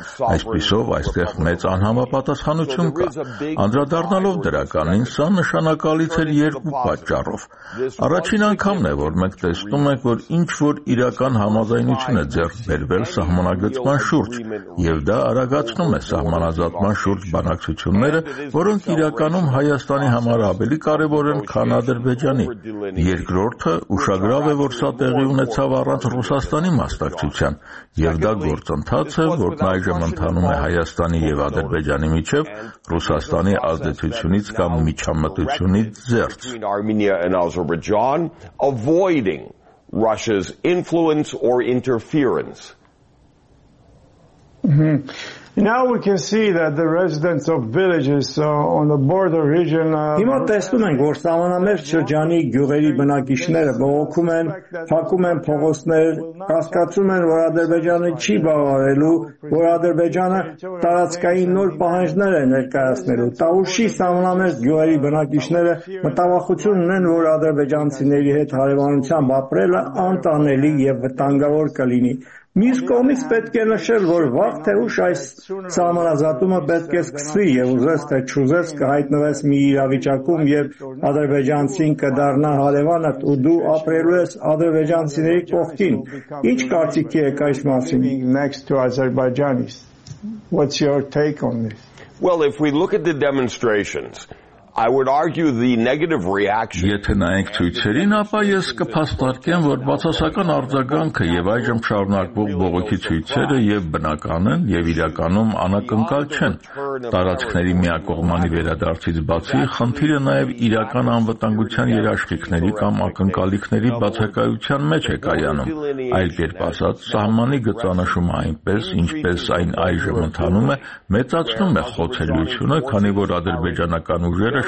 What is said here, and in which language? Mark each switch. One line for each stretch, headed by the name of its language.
Armenian: Այսպիսով, այստեղ մեծ անհամապատասխանություն կա։ Անդրադառնալով դրականին, սա նշանակում կալիցել երկու պատճառով։ Առաջին անգամն է, որ մենք տեսնում ենք, որ ինչ-որ իրական համաձայնություն է ձեռք բերվել սահմանագծման շուրջ, և դա արագացնում է սահմանազատման շուրջ բանակցությունները, որոնք իրականում Հայաստանի համար ավելի կարևոր են, քան Ադրբեջանի։ Երկրորդը, ուշագրավ է, որ սա տեղի ունեցավ առանց Ռուսաստանի մասնակցության, և դա գործընթաց է, որն այժմ ընթանում է Հայաստանի և Ադրբեջանի միջև Ռուսաստանի ազդեցությունից կամ միջամտությունից
English: between Armenia and Azerbaijan, avoiding Russia's influence or interference. Now we can see that the residents of villages on the border region
Armenian: Հիմա տեսնում ենք, որ սահմանամերջ շրջանի գյուղերի բնակիչները բողոքում են, փակում են փողոցներ, հասկացում են, որ Ադրբեջանը չի բավարարելու, որ Ադրբեջանը տարածքային նոր պահանջներ է ներկայացնելու։ Տաուշի սահմանամերջ գյուղերի բնակիչները մտավախություն ունեն, որ ադրբեջանցիների հետ հարևանությամբ ապրելը անտանելի և վտանգավոր կլինի։ Մյուս կողմից պետք է նշել, որ վաղ թե ուշ այս սահմանազատումը պետք է սկսվի, և ուզես թե չուզես կհայտնվես մի իրավիճակում, երբ ադրբեջանցին կդառնա հարևանդ ու դու ապրելու ես ադրբեջանցիների կողքին։ Ինչ կարծիքի եք այս մասին?
English: What's your take on this? Well, if we look at the demonstrations, I would argue the negative reaction.
Armenian: Եթե նայենք ցույցերին, ապա ես կփաստարկեմ, որ բացասական արձագանքը եւ այժմ շարունակվող բողոքի ցույցերը եւ բնական են եւ իրականում անակնկալ չեն։ Տարածքների միակողմանի վերադարձից բացի խնդիրը նաեւ իրական անվտանգության երաշխիքների կամ ակնկալիքների բացակայության մեջ է կայանում։ Այլ կերպ ասած, սահմանի գծանշումը այնպես, ինչպես այն այժմ ընթանում է, մեծացնում է խոցելիությունը, քանի որ ադրբեջանական ուժերը